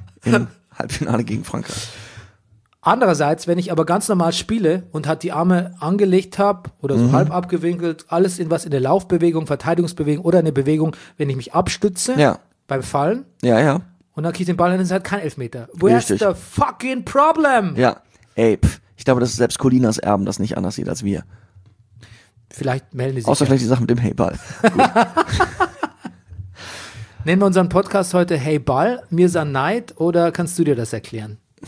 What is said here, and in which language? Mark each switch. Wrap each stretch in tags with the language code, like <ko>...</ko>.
<de>Im Halbfinale gegen Frankreich. Andererseits, wenn ich aber ganz normal spiele und halt die Arme angelegt habe oder so halb abgewinkelt, alles in was in der Laufbewegung, Verteidigungsbewegung oder in der Bewegung, wenn ich mich abstütze beim Fallen. Ja, ja. Und dann kriege ich den Ball, dann ist halt kein Elfmeter.</de> <en>Where's the fucking problem?</en> <de>Ja, ey, pff, ich glaube, dass selbst Colinas Erben das nicht anders sieht als wir. Vielleicht melden die sich. Außer vielleicht die Sache mit dem Hey-Ball. Nennen wir unseren Podcast heute Hey-Ball, Mirza Neid oder kannst du dir das erklären?</de>